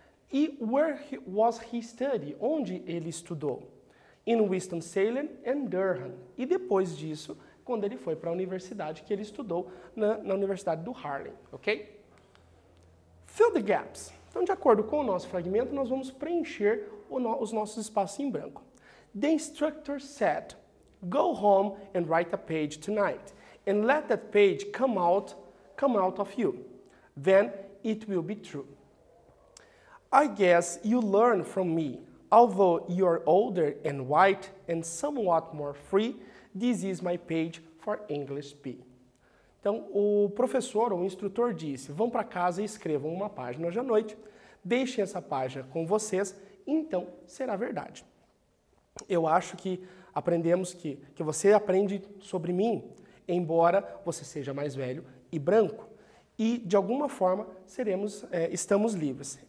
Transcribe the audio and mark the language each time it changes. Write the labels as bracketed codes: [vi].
[en] E where was he studied? [pt] Onde ele estudou? [en] In Winston-Salem and Durham. [pt] E depois disso, quando ele foi para a universidade, que ele estudou na Universidade do Harlem, ok? [en] Fill the gaps. [pt] Então, de acordo com o nosso fragmento, nós vamos preencher os nossos espaços em branco. [en] The instructor said, go home and write a page tonight, and let that page come out of you. Then it will be true. I guess you learn from me. Although you're older and white and somewhat more free, this is my page for English B. [pt] Então, o professor ou o instrutor disse, vão para casa e escrevam uma página hoje à noite, deixem essa página com vocês, então será verdade. Eu acho que aprendemos que você aprende sobre mim, embora você seja mais velho e branco, e de alguma forma estamos livres.